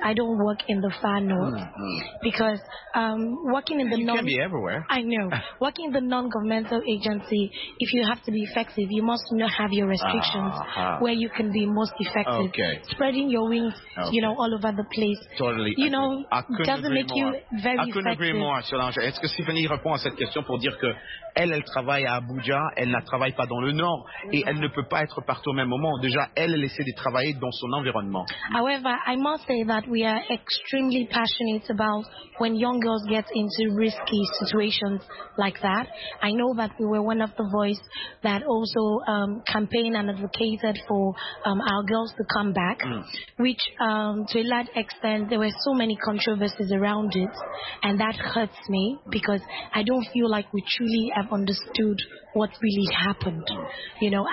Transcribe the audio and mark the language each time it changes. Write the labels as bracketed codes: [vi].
[en] I don't work in the far north, because working in the you non- can be everywhere. I know. Working in the non-governmental agency, if you have to be effective, you must not have your restrictions where you can be most effective. Okay. Spreading your wings, you know, all over the place. Totally. You know, doesn't make you very effective. I couldn't agree more, Solange. [fr] Est-ce que Stéphanie répond à cette question pour dire que elle, elle travaille à Abuja, elle ne travaille pas dans le nord, et elle ne peut pas être partout au même moment. Déjà, elle est laissée de travailler dans son environnement. [en] However, I must say that we are extremely passionate about when young girls get into risky situations like that. I know that we were one of the voices that also campaigned and advocated for our girls to come back, which to a large extent, there were so many controversies around it, and that hurts me because I don't feel like we truly have understood what really happened, you know.